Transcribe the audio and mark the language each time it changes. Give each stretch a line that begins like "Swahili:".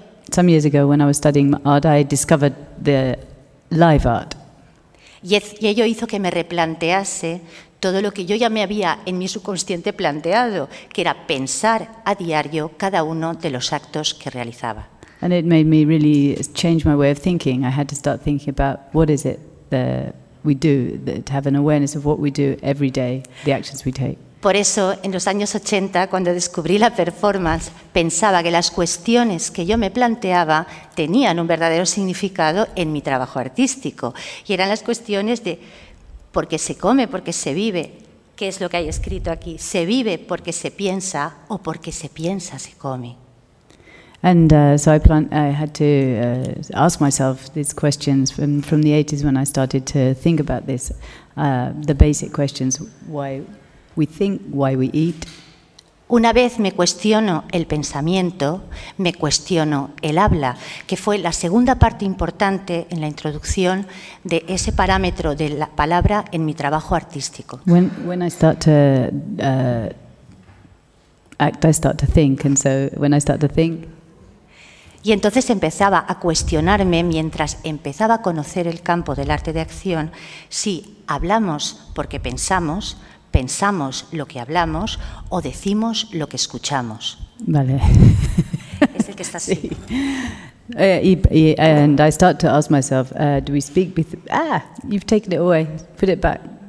English: Some years ago, when I was studying art, I discovered the live art.
Spanish: Y ello hizo que me replantease todo lo que yo ya me había en mi subconsciente planteado, que era pensar a diario cada uno de los actos que realizaba.
English: And it made me really change my way of thinking. I had to start thinking about what is it that we do, to have an awareness of what we do every day, the actions we take.
Spanish: Por eso, en los años 80, cuando descubrí la performance, pensaba que las cuestiones que yo me planteaba tenían un verdadero significado en mi trabajo artístico. Y eran las cuestiones de por qué se come, por qué se vive. ¿Qué es lo que hay escrito aquí? ¿Se vive porque se piensa o porque se piensa se come?
English: And so I had to ask myself these questions from the 80s when I started to think about this, the basic questions, why we think, why we eat.
Spanish: Una vez me cuestiono el pensamiento, me cuestiono el habla, que fue la segunda parte importante en la introducción de ese parámetro de la palabra en mi trabajo artístico.
English: When I start to act, I start to think, and so when I start to think.
Spanish: Y entonces empezaba a cuestionarme mientras empezaba a conocer el campo del arte de acción, si hablamos porque pensamos. Pensamos lo que hablamos o decimos lo que escuchamos. Vale. Es el que está así. Sí.
English: And I start to ask myself, do we speak? You've taken it away. Put it back.